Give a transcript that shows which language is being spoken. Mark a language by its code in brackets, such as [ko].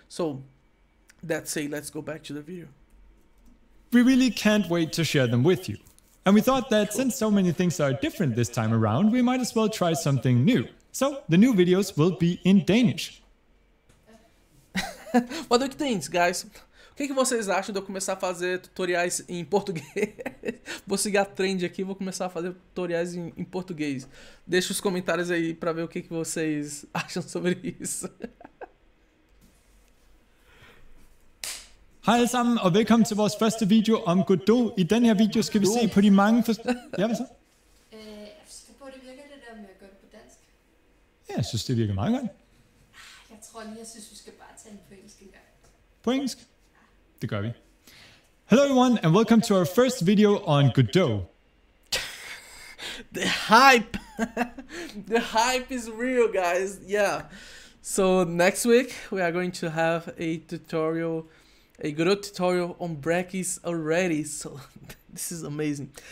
[en] So that's it, let's go back to the video. We really can't wait to share them with you. And we thought that since so many things are different this time around, we might as well try something new. So the new videos will be in Danish. What do you think, guys? [pt] O que vocês acham de eu começar a fazer tutoriais em português? Vou seguir a trend aqui e vou começar a fazer tutoriais em português. Deixa os comentários aí para ver o que vocês acham sobre isso. [da] Hej allesammen, og velkommen til vores første video om Godot. I den her video skal vi se på de mange forskellige... Ja, hvad så? Jeg skal på, at det virker det der med at gøre det på dansk. Ja, jeg synes, det virker meget godt. Jeg tror lige, jeg synes, vi skal bare tage den på engelsk i gang. På engelsk? Det gør vi. [en] Hello everyone, and welcome to our first video on Godot. The hype! The hype is real, guys. Yeah. So next week, we are going to have a Godot tutorial on Brackeys already, so this is amazing.